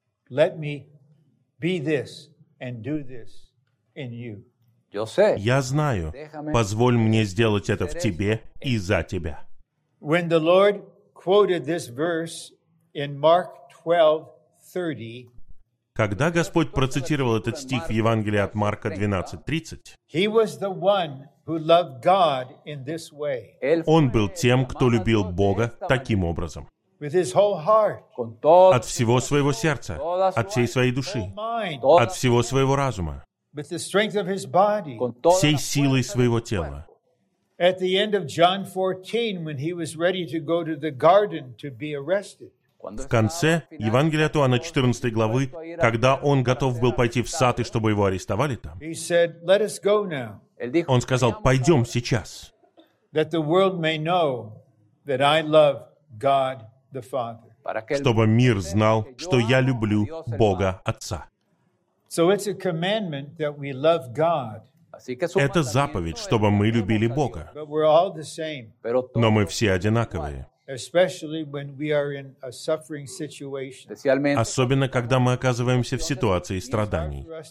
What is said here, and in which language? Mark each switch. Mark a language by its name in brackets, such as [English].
[English] Let me be this and do this in you. [Russian] Я знаю. Позволь мне сделать это в тебе и за тебя. [English] When the Lord quoted this verse in Mark 12:30. [Russian] Когда Господь процитировал этот стих в Евангелии от Марка 12:30, [English] He was the one who loved God in this way. [Russian] Он был тем, кто любил Бога таким образом. [English] With his whole heart. [Russian] От всего своего сердца, от всей своей души, от всего своего разума. [English] With the strength of his body. [Russian] Всей силой своего тела. [English] At the end of John 14, when he was ready to go to the garden to be arrested. [Russian] В конце Евангелия от Иоанна 14 главы, когда он готов был пойти в сад и чтобы его арестовали там. [English] He said, "Let us go now." [Russian] Он сказал: "Пойдем сейчас." [English] That the world may know that I love God the Father. [Russian] Чтобы мир знал, что я люблю Бога Отца. [English] So it's a commandment that we love God. [Russian] Это заповедь, чтобы мы любили Бога. Но мы все одинаковые. Особенно, когда мы оказываемся в ситуации страданий.